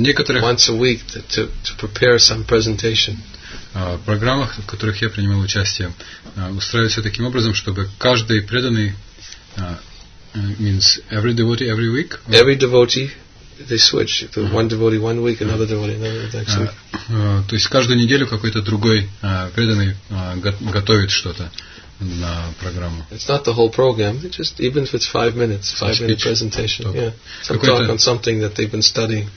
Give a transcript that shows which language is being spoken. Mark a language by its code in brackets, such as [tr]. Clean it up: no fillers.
[en] Once a week to prepare some presentation. [ru] В программах, в которых я принимал участие, устраивается таким образом, чтобы каждый преданный, [en] means every devotee every week. Every devotee. They switch. The one devotee one week, another devotee another week. [ru] То есть каждую неделю какой-то другой преданный готовит что-то на программу. [en] It's not the whole program. It's just even if it's 5 minutes, presentation. Talk. Yeah. Some [ru] какой-то, [en] talk on something that they've been studying.